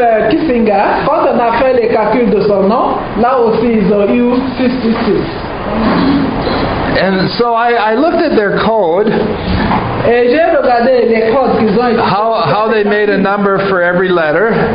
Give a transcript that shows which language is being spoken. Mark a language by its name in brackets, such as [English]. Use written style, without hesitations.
[French] Kissinger, quand on a fait les calculs de son nom, là aussi ils ont eu 666. [English] And so I looked at their code. [French] Et j'ai regardé les codes qu'ils ont. [English] How they made a number for every letter.